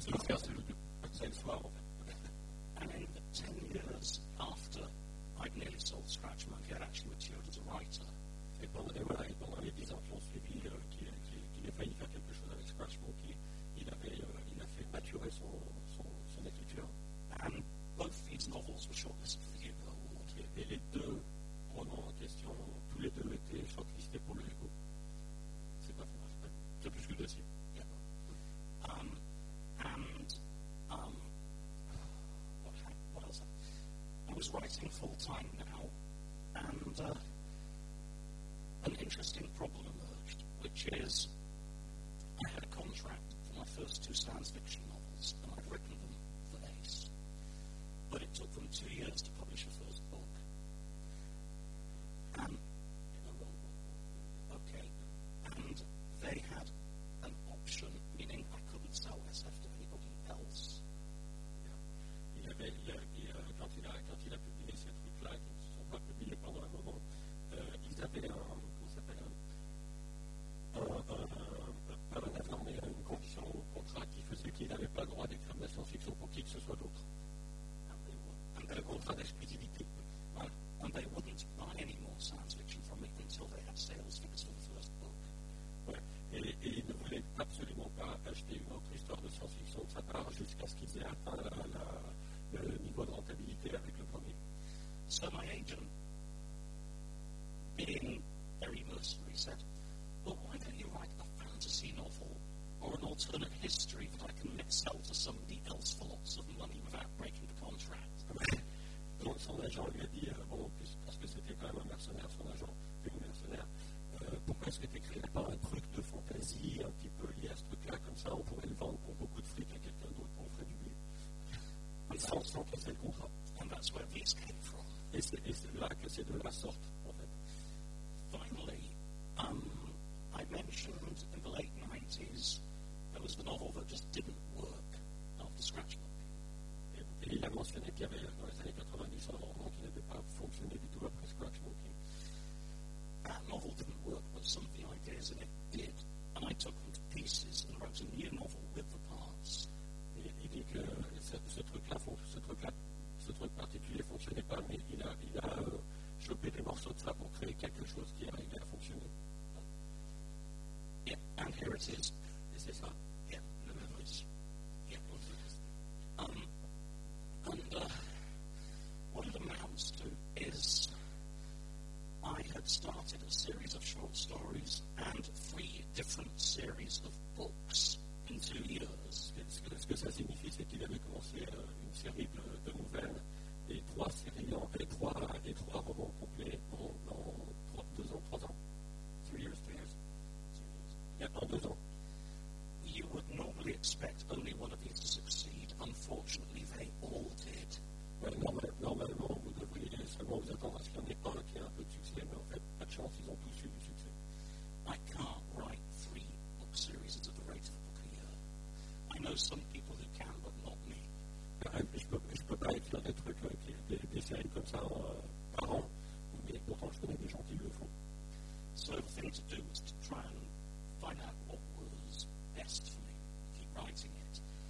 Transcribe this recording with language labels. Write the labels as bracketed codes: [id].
[en] And then 10 years after I'd nearly sold Scratch Monkey, I'd actually matured as a writer. [fr] Et pendant les 10 ans qui ont suivi, qu'il a failli faire quelque chose avec Scratch Monkey, il a fait maturer son écriture. [en] And both these novels were shortlisted for the Hugo Award. [fr] Et les deux romans en question, tous les deux étaient shortlistés pour le Hugo. C'est pas fait, hein? C'est plus que deux. [en] Yeah. What else? I was writing full time now, and an interesting problem emerged, which is I had a contract for my first two science fiction novels, and I'd written them for Ace. But it took them 2 years to publish a first book. And they had an option, meaning I couldn't sell SF to anybody else. [fr] Quand il a publié ces trucs-là, qui ne sont pas publiés pendant un moment, ils avaient une condition au contrat qui faisait qu'ils n'avaient pas le droit d'écrire de la science-fiction pour qui que ce soit d'autre. Un contrat d'exclusivité. [en] And they wouldn't buy any more science fiction from me until they had sales figures for the first book. [fr] Et ils ne voulaient absolument pas acheter une autre histoire de science-fiction de sa part jusqu'à ce qu'ils aient atteint le niveau de rentabilité avec le premier. [en] So my agent, being very mercenary, said, but why don't you write a fantasy novel or an alternate history that I can sell to somebody else for lots of money without breaking the contract? [fr] Donc son agent lui a dit, parce que c'était quand même un mercenaire, son agent était un mercenaire, pourquoi est-ce que tu n'écrirais pas un truc de fantasy un petit peu lié à ce truc-là, comme ça on pourrait le vendre pour beaucoup de fric à quelqu'un d'autre, on ferait du blé. Sans casser le contrat. [en] And that's where these came from. [fr] Et c'est là que c'est de la sorte, en fait. [en] Finally, I mentioned in the late 90s there was a novel that just didn't work after Scratch Book. [fr] Et il a mentionné qu'il y avait dans les années 90 un roman qui n'avait pas fonctionné du tout après Scratch Booking. [en] That novel didn't work, but some of the ideas in it did. And I took them to pieces and wrote a new novel with the parts. [fr] Et il dit que ce truc particulier ne fonctionnait pas, mais il a chopé des morceaux de ça pour créer quelque chose qui arrivait à fonctionner. [en] Yeah, and here it is. [fr] Et c'est ça. [en] Yeah, [fr] le même. [en] And what it amounts to is I had started a series of short stories and three different series of books in 2 years. [fr] Ce que ça signifie, c'est qu'il avait commencé une série de nouvelles et trois séries en fait, et trois romans complets en deux ans. [en] 2 years, 3 years. [fr] Yeah, en 2 ans. [en] You would normally expect only one of these to succeed. Unfortunately, they all did. [fr] Normalement, vous devriez seulement vous attendre à ce qu'il y en ait un qui a un peu de succès, mais en fait, pas de chance, ils ont tous eu du succès. [en] I can't write three book series at the rate of a book a year. I know some people who can, but not me. [fr] Je peux pas écrire des trucs, des séries comme ça par an, mais pourtant, je connais des gens qui le font. [en] So the thing to do was to try and find out what was best for me, keep writing it.